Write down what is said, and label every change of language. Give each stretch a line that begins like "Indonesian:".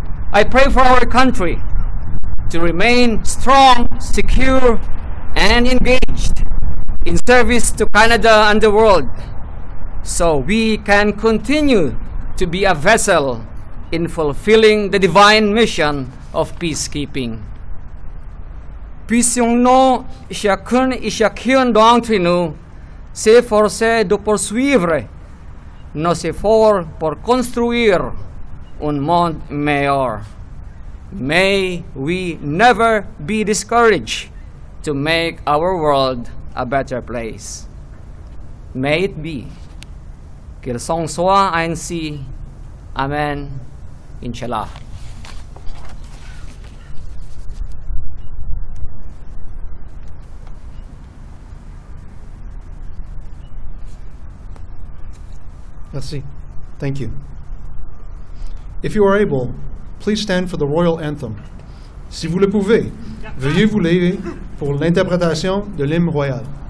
English: I pray for our country to remain strong, secure, and engaged in service to Canada and the world, so we can continue to be a vessel in fulfilling the divine mission of peacekeeping.
French: Puissions-nous chacun et chacune d'entre nous s'efforcer de poursuivre nos efforts pour construire un monde meilleur.
English: May we never be discouraged to make our world a better place. May it be.
French: Qu'il s'en soit ainsi. Amen. Inch'Allah. Merci.
English: Thank you. If you are able, please stand for the royal anthem.
French: Si vous le pouvez, veuillez vous lever pour l'interprétation de l'hymne royal.